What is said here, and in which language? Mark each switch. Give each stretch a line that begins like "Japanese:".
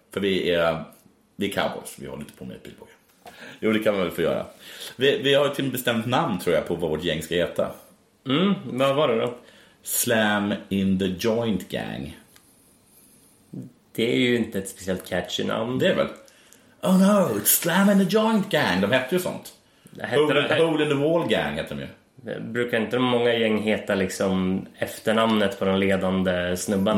Swedish: För vi är cowboys. Vi håller inte på med pilbåge. Jo, det kan man väl få göra. Vi har ju till bestämt namn, tror jag, på vad vårt gäng ska heta. Mm, vad var det då?
English: Slam in the Joint Gang.
Swedish: Det är ju inte ett speciellt catchy namn. Det är väl.
English: Oh no, it's Slam in the Joint Gang.
Swedish: De heter ju sånt. Hole in the Wall Gang heter de ju. Brukar inte många gäng heta liksom efternamnet på den ledande snubban?